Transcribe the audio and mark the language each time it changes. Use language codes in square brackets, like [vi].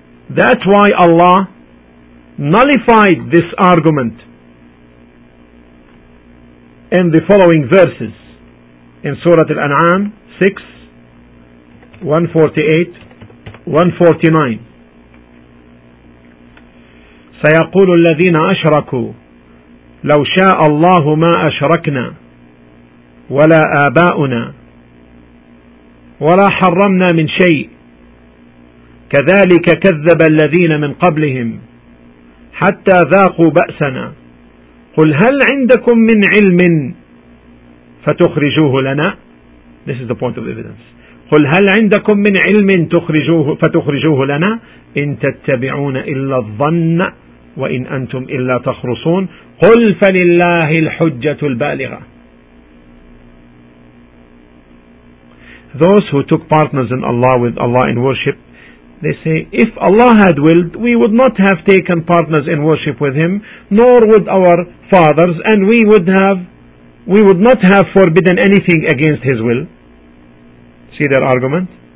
[en] That's why Allah nullified this argument in the following verses in Surah Al-An'am 6, 148-149. [ar] سيقول الذين أشركوا لو شاء الله ما أشركنا ولا آباؤنا ولا حرمنا من شيء كذلك كذب الذين من قبلهم حتى ذاقوا بأسنا قل هل عندكم من علم فتخرجوه لنا. [en] This is the point of evidence. [ar] قل هل عندكم من علم فتخرجوه لنا إن تتبعون إلا الظن وإن أنتم إلا تخرصون قل فلله الحجة البالغة. [en] Those who took partners in Allah with Allah in worship, they say, if Allah had willed, we would not have taken partners in worship with him, nor would our fathers, and we would not have forbidden anything against his will. See their argument?